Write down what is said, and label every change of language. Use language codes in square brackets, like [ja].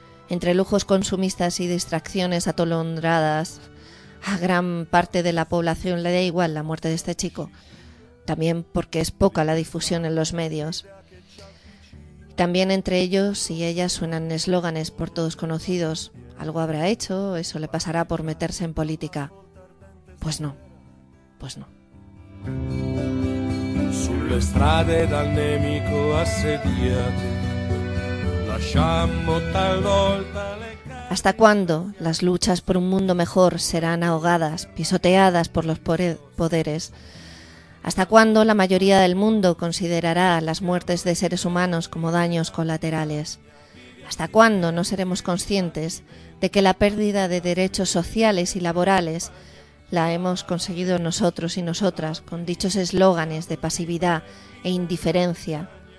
[es] Entre lujos consumistas y distracciones atolondradas, a gran parte de la población le da igual la muerte de este chico, también porque es poca la difusión en los medios. También entre ellos y ellas suenan eslóganes por todos conocidos. Algo habrá hecho, eso le pasará por meterse en política. Pues no, pues no. [it] Sulle strade dal nemico assediate, lasciammo talvolta le... [es] ¿Hasta cuándo las luchas por un mundo mejor serán ahogadas, pisoteadas por los poderes? ¿Hasta cuándo la mayoría del mundo considerará las muertes de seres humanos como daños colaterales? ¿Hasta cuándo no seremos conscientes de que la pérdida de derechos sociales y laborales la hemos conseguido nosotros y nosotras con dichos eslóganes de pasividad e indiferencia?